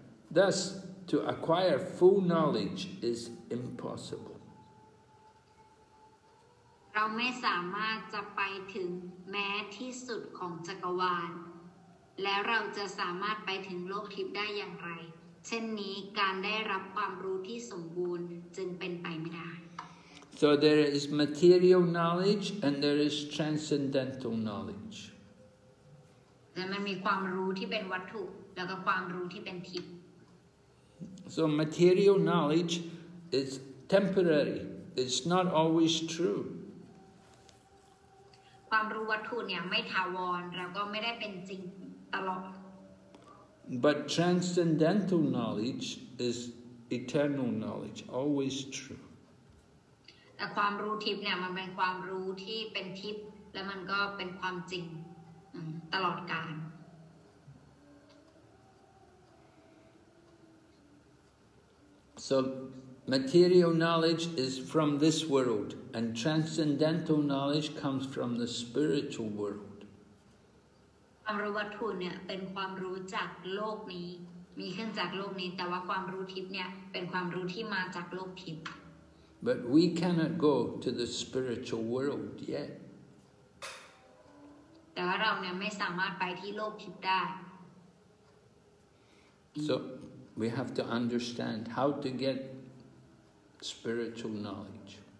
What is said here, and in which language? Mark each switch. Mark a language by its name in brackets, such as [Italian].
[English] Thus, to acquire full knowledge is impossible. [Thai] เราไม่สามารถจะไปถึงแม้ที่สุดของจักรวาลแล้วเราจะสามารถไปถึงโลกทิพย์ได้อย่างไรเช่นนี้การได้รับความรู้ที่สมบูรณ์จึงเป็นไปไม่ได้ [English] So there is material knowledge and there is transcendental knowledge [Thai] แต่มันมีความรู้ที่เป็นวัตถุแล้วก็ความรู้ที่เป็นทิพย์ [English] So material knowledge is temporary it's not always true [Thai] ความรู้วัตถุเนี่ยไม่ถาวรแล้วก็ไม่ได้เป็นจริงตลอด [English] But transcendental knowledge is eternal knowledge, always true. [Thai] แต่ความรู้ทิพย์เนี่ยมันเป็นความรู้ที่เป็นทิพย์และมันก็เป็นความจริงตลอดกาล [English] SoMaterial knowledge is from this world, and transcendental knowledge comes from the spiritual world. [Thai] ความรู้วัตถุเนี่ยเป็นความรู้จากโลกนี้มีขึ้นจากโลกนี้แต่ว่าความรู้ทิพย์เนี่ยเป็นความรู้ที่มาจากโลกทิพย์ [English] But we cannot go to the spiritual world yet. [Thai] แต่ว่าเราเนี่ยไม่สามารถไปที่โลกทิพย์ได้ [English] So we have to understand how to get spiritual knowledge.